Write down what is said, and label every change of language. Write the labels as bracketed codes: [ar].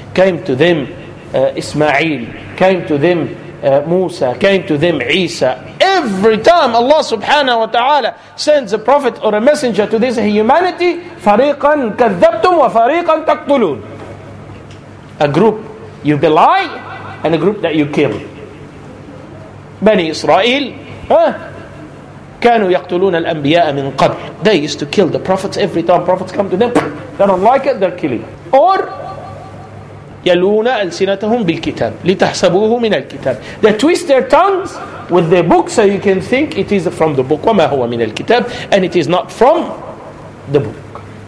[en] Came to them Ismail. Came to them Musa. Came to them Isa. Every time Allah subhanahu wa ta'ala sends a prophet or a messenger to this humanity, [ar] فَرِيقًا كَذَّبْتُمْ وَفَرِيقًا تَقْتُلُونَ. [en] A group you belie and a group that you kill. [ar] Bani Israel, كَانُوا يَقْتُلُونَ الْأَنْبِيَاءَ مِنْ قَبْلِ. [en] They used to kill the prophets. Every time prophets come to them, they don't like it, they're killing. [ar] Or يَلُونَ أَلْسِنَتَهُمْ بِالْكِتَابِ لِتَحْسَبُوهُ مِنَ الْكِتَابِ. [en] They twist their tongues with their book so you can think it is from the book. [ar] وَمَا هُوَ مِنَ الْكِتَابِ. [en] And it is not from the book.